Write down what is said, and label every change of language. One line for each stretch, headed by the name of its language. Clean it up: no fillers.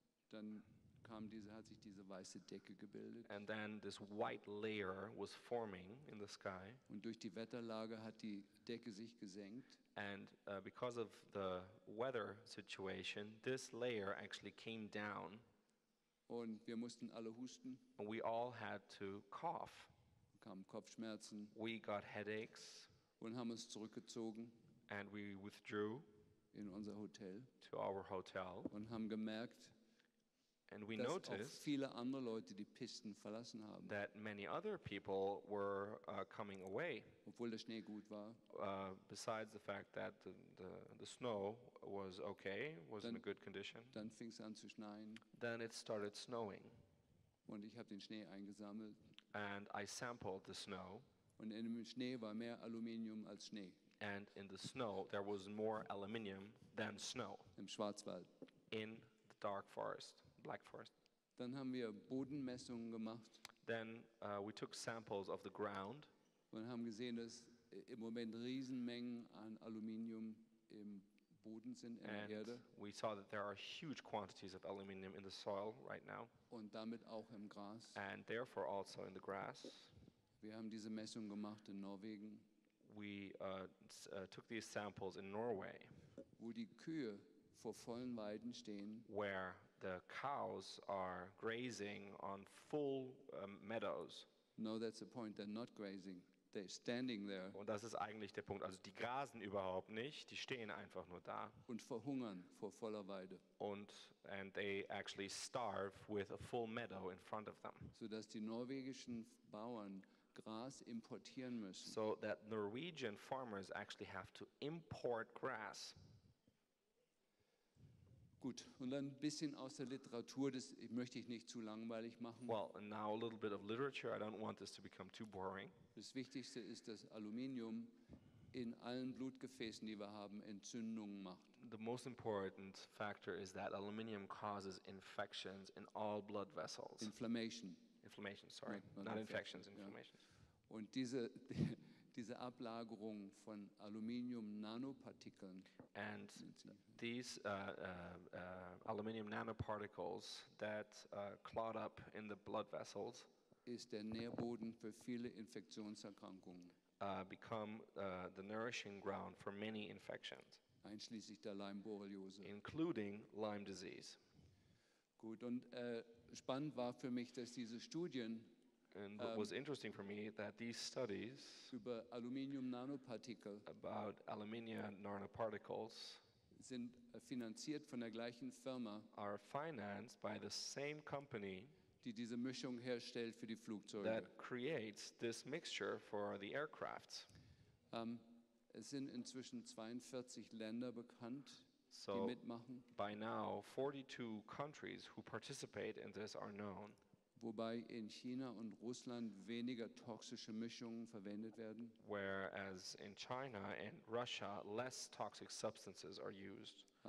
German: Dann kam diese, hat sich diese weiße Decke gebildet.
English: And then this white layer was forming in the sky.
German: Und durch die Wetterlage hat die Decke sich gesenkt.
English: And because of the weather situation, this layer actually came down.
German: Und wir mussten alle husten.
English: And we all had to cough.
German: Kamen Kopfschmerzen.
English: We got headaches.
German: Und haben uns zurückgezogen.
English: And we withdrew
German: in unser Hotel.
English: To our hotel.
German: Und haben gemerkt,
English: and we noticed
German: viele andere Leute die Pisten verlassen haben.
English: That many other people were coming away.
German: Obwohl der Schnee gut war.
English: Besides the fact that the snow was okay,
German: was dann,
English: in a good condition.
German: Dann fing's an zu schneien.
English: Then it started snowing.
German: Und ich habe den Schnee eingesammelt.
English: And I sampled the snow.
German: Und in dem Schnee war mehr Aluminium als Schnee.
English: and in the snow there was more aluminium than snow.
German: Im Schwarzwald.
English: In the dark forest, black forest.
German: Dann haben wir Bodenmessungen gemacht.
English: Then we took samples of the ground.
German: Und haben gesehen, dass im Moment Riesenmengen an Aluminium im Boden sind, in
English: and
German: der Erde.
English: We saw that there are huge quantities of aluminium in the soil right now.
German: Und damit auch im Gras.
English: And therefore also in the grass.
German: Wir haben diese Messung gemacht in Norwegen.
English: We took these samples in Norway.
German: Wo die Kühe vor vollen Weiden stehen.
English: Where the cows are grazing on full meadows. No, that's the point. They're not grazing. They're standing there.
German: Und das ist eigentlich der Punkt. Also die grasen überhaupt nicht. Die stehen einfach nur da. Und verhungern vor voller Weide.
English: And they actually starve with a full meadow in front of them.
German: So dass die norwegischen Bauern Gras importieren müssen.
English: So that Norwegian farmers actually have to import grass.
German: Gut, und dann ein bisschen aus der Literatur, das möchte ich nicht zu langweilig machen.
English: Well, now a little bit of literature. I don't want this to become too boring.
German: Das Wichtigste ist, dass Aluminium in allen Blutgefäßen, die wir haben, Entzündungen macht.
English: The most important factor is that aluminium causes infections in all blood vessels. Inflammation. Inflammation, sorry.
German: Nein,
English: not infections, inflammation.
German: Ja. Und diese Ablagerung von Aluminium Nanopartikeln.
English: And these aluminium nanoparticles that clot up in the blood vessels
German: ist der Nährboden für viele Infektionserkrankungen.
English: Become the nourishing ground for many infections.
German: Einschließlich der Lyme-Borreliose.
English: Including Lyme disease.
German: Gut, und spannend war für mich, dass diese Studien.
English: And what was interesting for me that these studies
German: über aluminium nanopartikel
English: about aluminium nanoparticles
German: sind finanziert von der gleichen Firma
English: are financed by the same company
German: die diese Mischung herstellt für die Flugzeuge
English: that creates this mixture for the aircrafts.
German: Es sind inzwischen 42 Länder bekannt.
English: So
German: die mitmachen.
English: By now 42 countries who participate in this are known.
German: Wobei in China und Russland weniger toxische Mischungen verwendet werden.
English: Whereas in China and Russia, less toxic substances are used.